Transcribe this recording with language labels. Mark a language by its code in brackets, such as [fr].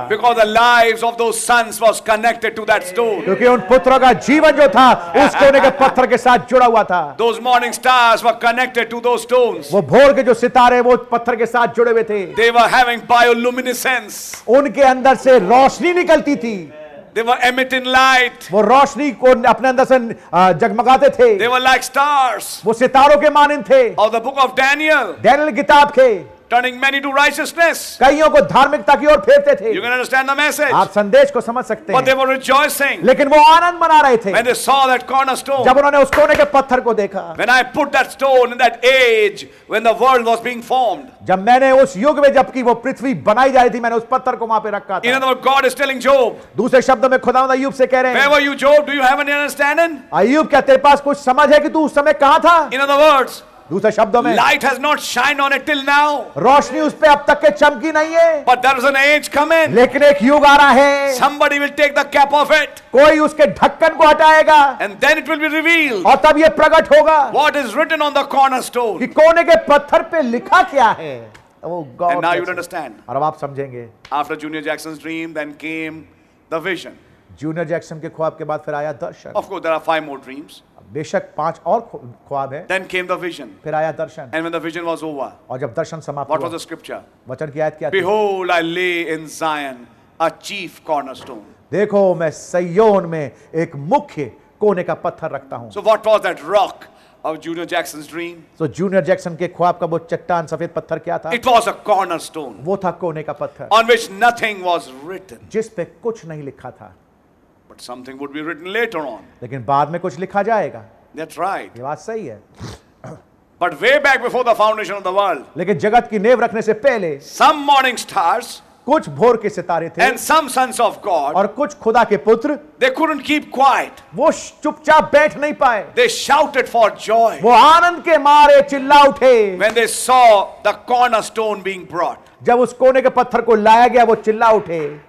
[en] because the lives of those sons was connected to that stone, [hi] क्योंकि उन पुत्रों का जीवन जो था उस कोने के पत्थर के साथ जुड़ा हुआ था, [en] those morning stars were connected to those stones, [hi] वो भोर के जो सितारे वो पत्थर के साथ जुड़े हुए थे, [en] they were having bioluminescence, [hi] उनके अंदर से रोशनी निकलती थी. [en] They were emitting light. [hi] वो रोशनी को अपने अंदर से जगमगाते थे. [en] They were like stars. [hi] वो सितारों के मानिंद थे. [en] Of the book of Daniel. [hi] Daniel किताब के. [en] Turning many to righteousness. [hi] कईयों को धार्मिकता की ओर फेरते थे. [en] You can understand the message. [hi] आप संदेश को समझ सकते हैं. [en] But they were rejoicing. [hi] लेकिन वो आनंद मना रहे थे. [en] When they saw that cornerstone. [hi] जब उन्होंने उस कोने के पत्थर को देखा. [en] When I put that stone in that age when the world was being formed. [hi] जब मैंने उस युग में जबकि वो पृथ्वी बनाई जा रही थी मैंने उस पत्थर को वहां पे रखा था. [en] In other words, God is telling Job. [hi] दूसरे शब्द में खुदावंद अय्यूब से कह रहे हैं. [en] Where were you, Job? Do you have any understanding? [hi] अय्यूब क्या तेरे पास कुछ समझ है कि तू उस समय कहां था? [en] In other words, [hi] दूसरे शब्दों में, [en] light has not shined on it till now. [hi] रोशनी उस पे अब तक के चमकी नहीं है. [en] But there is an age coming. [hi] लेकिन एक युग आ रहा है. [en] Somebody will take the cap of it. [hi] कोई उसके ढक्कन को हटाएगा. [en] And then it will be revealed. [hi] और तब ये प्रकट होगा. [en] What is written on the cornerstone? [hi] कि कोने के पत्थर पे लिखा क्या है? [en] Oh God. And now you understand. [hi] और अब आप समझेंगे. [en] After Junior Jackson's dream, then came the vision. [hi] Junior Jackson के ख्वाब के बाद फिर आया दर्शन. [en] Of course, there are five more dreams. [hi] बेशक पांच और ख्वाब है. [en] Then came the vision. [hi] फिर आया दर्शन. [en] And when the vision was over. [hi] और जब दर्शन समाप्त हुआ. [en] What was the scripture? [hi] वचन की आयत क्या थी? [en] Behold, I lay in Zion a chief cornerstone. [hi] देखो मैं सय्योन में एक मुख्य कोने का पत्थर रखता हूँ. [en] So what was that rock of Junior Jackson's dream? [hi] So Junior Jackson के ख्वाब का वो चट्टान सफेद पत्थर क्या था? [en] It was a cornerstone. [hi] वो था कोने का पत्थर. [en] On which nothing was written. [hi] जिस पे कुछ नहीं लिखा था. [en] But something would be written later on. [hi] लेकिन बाद में कुछ लिखा जाएगा. [en] That's right. [hi] ये बात सही है. [en] But way back before the foundation of the world. [hi] लेकिन जगत की नेव रखने से पहले. [en] Some morning stars. [hi] कुछ भोर के सितारे थे. [en] And some sons of God. [hi] और कुछ खुदा के पुत्र. [en] They couldn't keep quiet. [hi] वो चुपचाप बैठ नहीं पाए. [en] They shouted for joy. [hi] वो आनंद के मारे चिल्ला उठे. [en] When they saw the cornerstone being brought. [hi] जब उस कोने के पत्थर को लाया गया वो चिल्ला उठे.